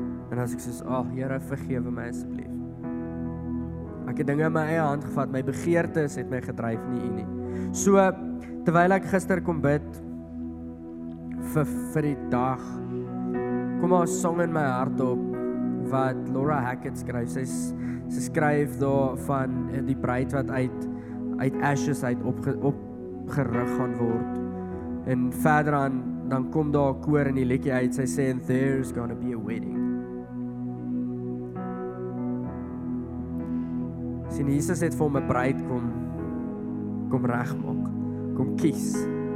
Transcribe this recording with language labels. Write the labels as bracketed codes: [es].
[af] En as ek soos, ag, Here, vergewe my asseblief. Ek het dinge in my eie hand gevat, my begeertes het my gedryf nie in nie. So, terwyl ek gister kom bid, vir die dag, kom daar 'n song in my hart op, wat Laura Hackett skryf. Sy skryf daar van die bruid wat uit ashes uit opgerig gaan word. En verder aan, dan kom daar 'n koor in die liedjie uit, sy sê, [en] and there's gonna be a wedding. [af] Sien, Jesus het vir hom 'n bruid kom regmaak, kom kies.